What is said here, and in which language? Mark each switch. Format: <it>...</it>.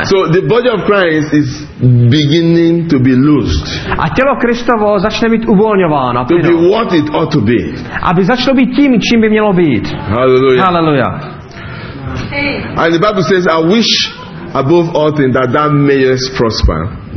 <en>So the body of Christ is beginning to be loosed.</en> <cs>A tělo Kristovo začne být uvolňováno.</cs> <en>To be what it ought to be.</en> <cs>Aby začalo být tím, čím by mělo být. Hallelujah. Hallelujah.</cs> <en>And the Bible says, I wish above all things that thou mayest prosper.</en>